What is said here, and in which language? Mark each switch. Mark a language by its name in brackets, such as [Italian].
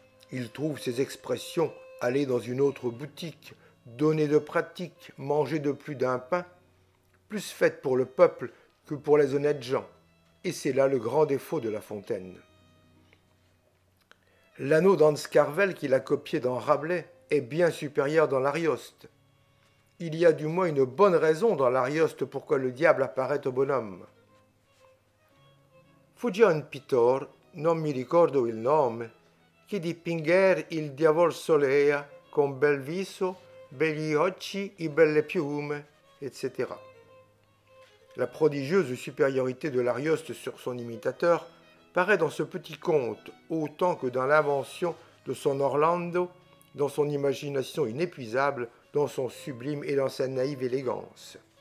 [French] Il trouve ses expressions « aller dans une autre boutique »,« donner de pratique »,« manger de plus d'un pain », plus faites pour le peuple que pour les honnêtes gens. Et c'est là le grand défaut de La Fontaine. L'anneau d'Anscarvel qu'il a copié dans Rabelais est bien supérieur dans l'Arioste. Il y a du moins une bonne raison dans l'Arioste pourquoi le diable apparaît au bonhomme. [Italian] Fugion pittor, non mi ricordo il nome, che dipinger il diavol solea con bel viso, begli occhi e belle piume, etc. [French] La prodigieuse supériorité de l'Arioste sur son imitateur paraît dans ce petit conte autant que dans l'invention de son Orlando, dans son imagination inépuisable, dans son sublime et dans sa naïve élégance.